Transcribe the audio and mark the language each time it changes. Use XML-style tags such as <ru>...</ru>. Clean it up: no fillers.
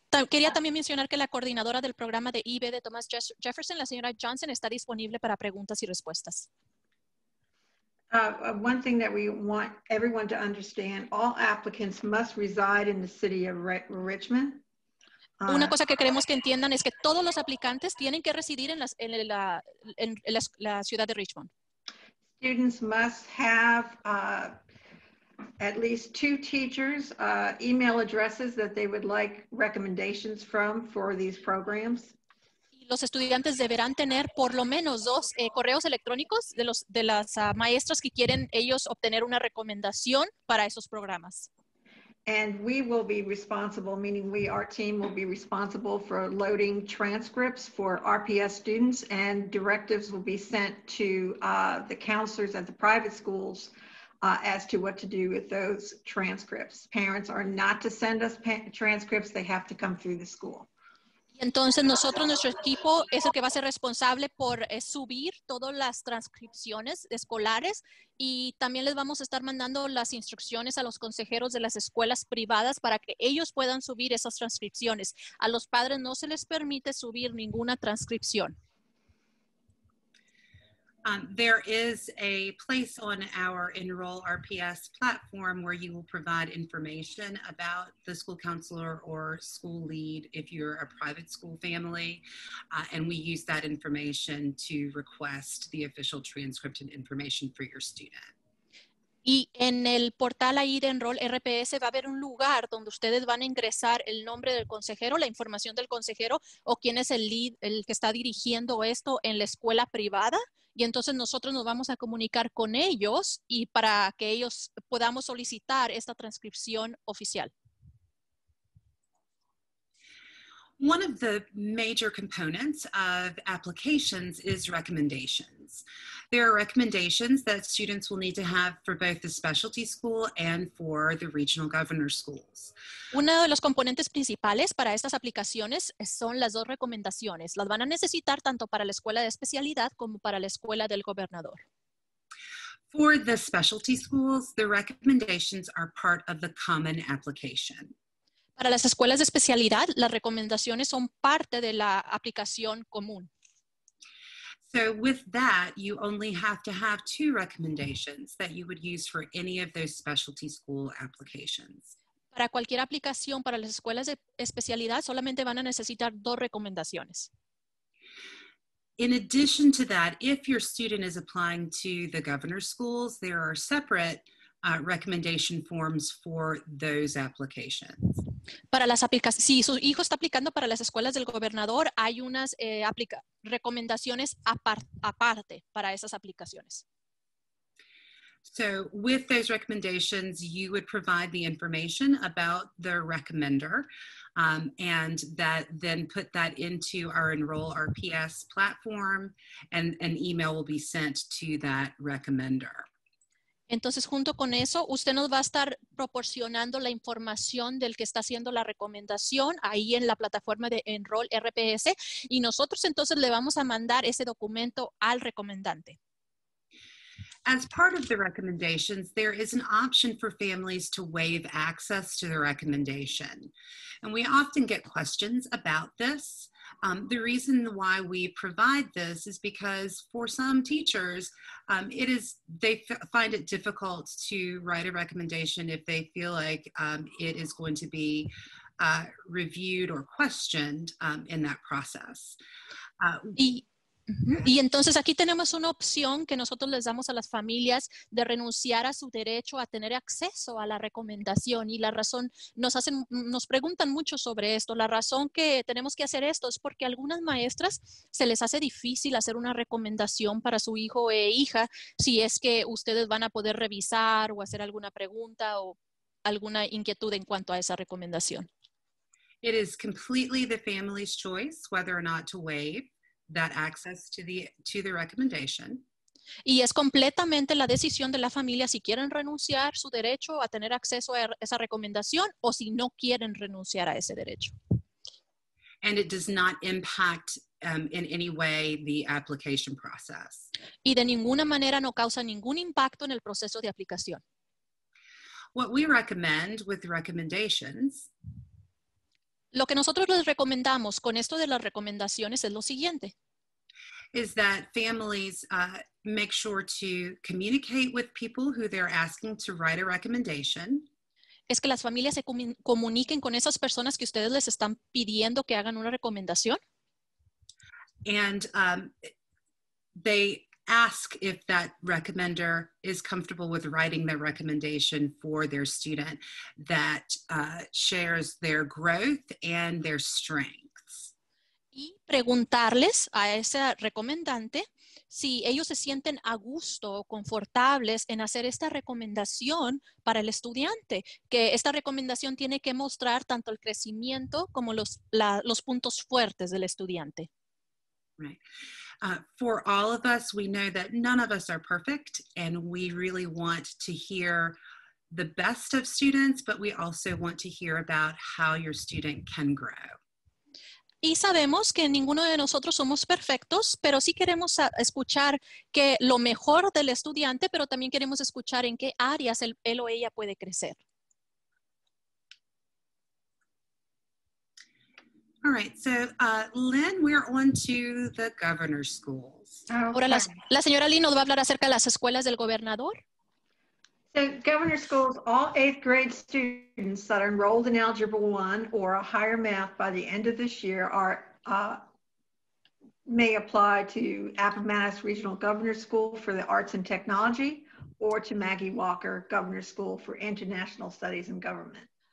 <es>Quería también mencionar que la coordinadora del programa de IB de Thomas Jefferson, la señora Johnston, está disponible para preguntas y respuestas.</es> <en>One thing that we want everyone to understand, all applicants must reside in the city of Richmond.</en> <es>Una cosa que queremos que entiendan es que todos los aplicantes tienen que residir en la ciudad de Richmond.</es> <en>Students must have at least two teachers' email addresses that they would like recommendations from for these programs.</en> <es>Y los estudiantes deberán tener por lo menos dos correos electrónicos de las maestras que quieren ellos obtener una recomendación para esos programas.</es> <en>And we will be responsible, meaning we, our team will be responsible for loading transcripts for RPS students, and directives will be sent to the counselors at the private schools as to what to do with those transcripts. Parents are not to send us transcripts, they have to come through the school.</en> <es>Entonces nosotros, nuestro equipo, es el que va a ser responsable por subir todas las transcripciones escolares y también les vamos a estar mandando las instrucciones a los consejeros de las escuelas privadas para que ellos puedan subir esas transcripciones. A los padres no se les permite subir ninguna transcripción.</es> <en>There is a place on our Enroll RPS platform where you will provide information about the school counselor or school lead if you're a private school family. And we use that information to request the official transcript and information for your student.</en> <es>Y en el portal ahí de Enroll RPS va a haber un lugar donde ustedes van a ingresar el nombre del consejero, la información del consejero o quién es el lead, el que está dirigiendo esto en la escuela privada. Y entonces nosotros nos vamos a comunicar con ellos y para que ellos podamos solicitar esta transcripción oficial.</es> <en>One of the major components of applications is recommendations. There are recommendations that students will need to have for both the specialty school and for the regional governor schools.</en> <es>Uno de los componentes principales para estas aplicaciones son las dos recomendaciones. Las van a necesitar tanto para la escuela de especialidad como para la escuela del gobernador.</es> <en>For the specialty schools, the recommendations are part of the common application.</en> <es>Para las escuelas de especialidad, las recomendaciones son parte de la aplicación común.</es> <en>So with that, you only have to have two recommendations that you would use for any of those specialty school applications.</en> <es>Para cualquier aplicación para las escuelas de especialidad, solamente van a necesitar dos recomendaciones.</es> <en>In addition to that, if your student is applying to the governor's schools, there are separate recommendation forms for those applications.</en> <es>Para las aplicaciones, si su hijo está aplicando para las escuelas del gobernador, hay unas recomendaciones aparte para esas aplicaciones.</es> <en>So, with those recommendations, you would provide the information about the recommender, and that then put that into our Enroll RPS platform, and an email will be sent to that recommender.</en> <es>Entonces, junto con eso, usted nos va a estar proporcionando la información del que está haciendo la recomendación ahí en la plataforma de Enroll RPS y nosotros entonces le vamos a mandar ese documento al recomendante.</es> <en>As part of the recommendations, there is an option for families to waive access to the recommendation. And we often get questions about this. The reason why we provide this is because for some teachers, they find it difficult to write a recommendation if they feel like it is going to be reviewed or questioned in that process.</en> <es>Y entonces aquí tenemos una opción que nosotros les damos a las familias de renunciar a su derecho a tener acceso a la recomendación y la razón, nos preguntan mucho sobre esto, la razón que tenemos que hacer esto es porque a algunas maestras se les hace difícil hacer una recomendación para su hijo e hija si es que ustedes van a poder revisar o hacer alguna pregunta o alguna inquietud en cuanto a esa recomendación.</es> <en>It is completely the family's choice whether or not to waive that access to the recommendation.</en> <es>Y es completamente la decisión de la familia si quieren renunciar su derecho a tener acceso a esa recomendación o si no quieren renunciar a ese derecho.</es> <en>And it does not impact in any way the application process.</en> <es>Y de ninguna manera no causa ningún impacto en el proceso de aplicación.</es> <en>What we recommend with recommendations.</en> <es>Lo que nosotros les recomendamos con esto de las recomendaciones es lo siguiente.</es> <en>Is that families make sure to communicate with people who they're asking to write a recommendation.</en> <es>Es que las familias se comuniquen con esas personas que ustedes les están pidiendo que hagan una recomendación.</es> <en>And they ask if that recommender is comfortable with writing the recommendation for their student that shares their growth and their strengths.</en> <es>Y preguntarles a ese recomendante si ellos se sienten a gusto o confortables en hacer esta recomendación para el estudiante, que esta recomendación tiene que mostrar tanto el crecimiento como los puntos fuertes del estudiante.</es> <en>Right. For all of us, we know that none of us are perfect, and we really want to hear the best of students, but we also want to hear about how your student can grow.</en> <es>Y sabemos que ninguno de nosotros somos perfectos, pero sí queremos escuchar que lo mejor del estudiante, pero también queremos escuchar en qué áreas él o ella puede crecer.</es> <en>All right, so Lynn, we're on to the governor's schools.</en> <es>Ahora la señora Lynn nos va a hablar acerca de las escuelas del gobernador.</es> <en>So governor schools, all eighth grade students that are enrolled in Algebra 1 or a higher math by the end of this year are may apply to Appomattox Regional Governor School for the Arts and Technology or to Maggie Walker Governor School for International Studies and Government.</en>